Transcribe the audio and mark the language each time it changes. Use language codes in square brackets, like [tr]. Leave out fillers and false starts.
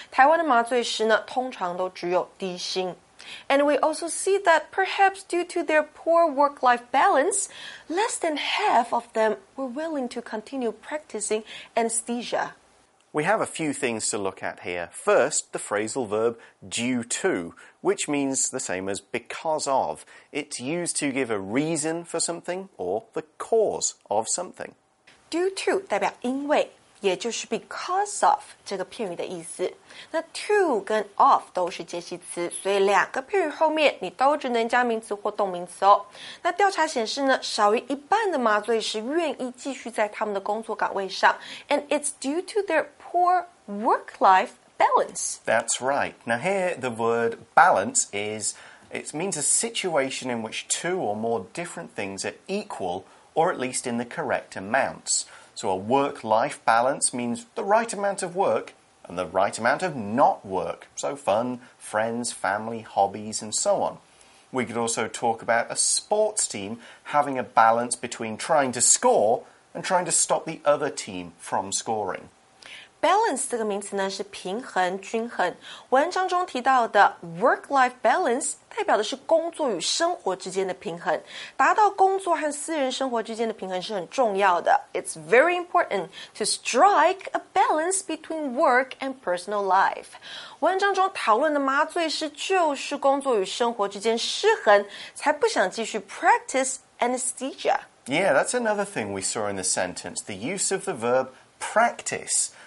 [zh] 台湾的麻醉师呢，通常都只有低薪。 [en] And we also see that perhaps due to their poor work-life balance, less than half of them were willing to continue practicing anesthesia. We have a few things to look at here. First, the phrasal verb due to, which means the same as because of. It's used to give a reason for something or the cause of something. [zh] Due to 代表因为，也就是 because of 这个片语的意思。那 to 跟 of 都是介系词，所以两个片语后面你都只能加名词或动名词哦。那调查显示呢，少于一半的麻醉师愿意继续在他们的工作岗位上 ， [en] and it's due to their poor work-life balance. That's right. Now here the word balance is—it means a situation in which two or more different things are equal, or at least in the correct amounts. So a work-life balance means the right amount of work and the right amount of not work. So fun, friends, family, hobbies, and so on. We could also talk about a sports team having a balance between trying to score and trying to stop the other team from scoring. [zh] Balance 这个名词呢是平衡、均衡。文章中提到的 work-life balance 代表的是工作与生活之间的平衡。达到工作和私人生活之间的平衡是很重要的。 [en] It's very important to strike a balance between work and personal life. [zh] 文章中讨论的麻醉师就是工作与生活之间失衡，才不想继续 [en] practice anesthesia. Yeah, that's another thing we saw in the sentence. The use of the verb practice.